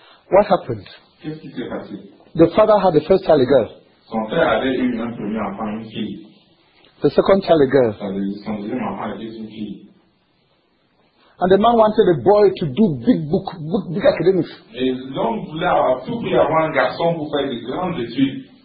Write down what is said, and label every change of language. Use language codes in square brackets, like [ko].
[en] What happened? The father had the first child, a girl. [fr] Son père avait eu un premier enfant, une fille. [en] The second child, a girl. [fr] Son deuxième enfant était une fille. [en] And the man wanted a boy to do big academics. [fr] L'homme voulait avoir tout pour avoir un garçon pour faire des grandes études.